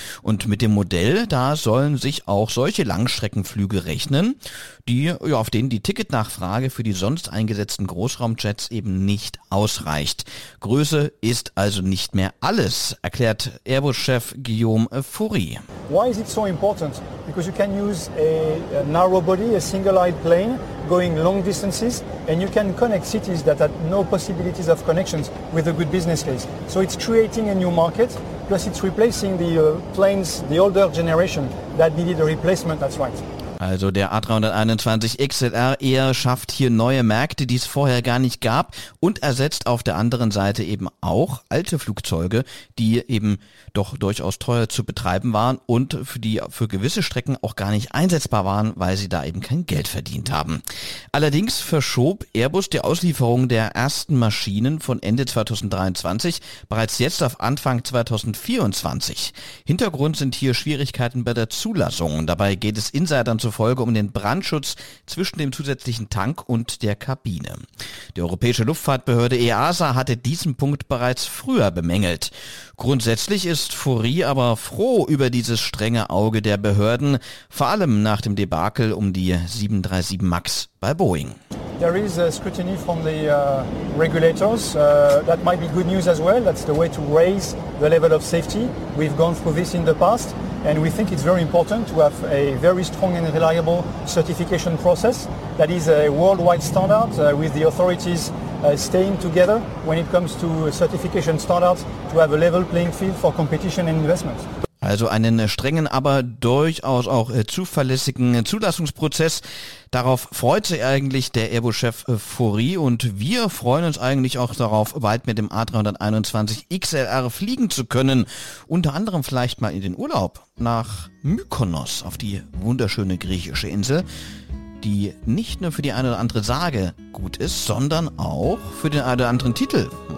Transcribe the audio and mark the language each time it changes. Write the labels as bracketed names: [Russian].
[German] Und mit dem Modell, da sollen sich auch solche Langstreckenflüge rechnen, die, ja, auf denen die Ticketnachfrage für die sonst eingesetzten Großraumjets eben nicht ausreicht. Größe ist also nicht mehr alles, erklärt Airbus-Chef Guillaume Foury. [English] Why is it so important? Because you can use a narrow body, a single-aisle plane, going long distances, and you can connect cities that had no possibilities of connections with a good business case. So it's creating a new market, plus it's replacing the planes, the older generation, that needed a replacement, that's right. [German] Also der A321XLR eher schafft hier neue Märkte, die es vorher gar nicht gab, und ersetzt auf der anderen Seite eben auch alte Flugzeuge, die eben doch durchaus teuer zu betreiben waren und für die für gewisse Strecken auch gar nicht einsetzbar waren, weil sie da eben kein Geld verdient haben. Allerdings verschob Airbus die Auslieferung der ersten Maschinen von Ende 2023 bereits jetzt auf Anfang 2024. Hintergrund sind hier Schwierigkeiten bei der Zulassung. Dabei geht es Insidern zu zufolge um den Brandschutz zwischen dem zusätzlichen Tank und der Kabine. Die Europäische Luftfahrtbehörde EASA hatte diesen Punkt bereits früher bemängelt. Grundsätzlich ist Fourie aber froh über dieses strenge Auge der Behörden, vor allem nach dem Debakel um die 737 MAX bei Boeing. [English] There is a scrutiny from the regulators. That might be good news as well. That's the way to raise the level of safety. We've gone through this in the past, and we think it's very important to have a very strong and reliable certification process that is a worldwide standard, with the authorities staying together when it comes to certification standards to have a level playing field for competition and investment. [German] Also einen strengen, aber durchaus auch zuverlässigen Zulassungsprozess. Darauf freut sich eigentlich der Airbus-Chef Fourie und wir freuen uns eigentlich auch darauf, bald mit dem A321 XLR fliegen zu können. Unter anderem vielleicht mal in den Urlaub nach Mykonos auf die wunderschöne griechische Insel, die nicht nur für die eine oder andere Sage gut ist, sondern auch für den einen oder anderen Titel.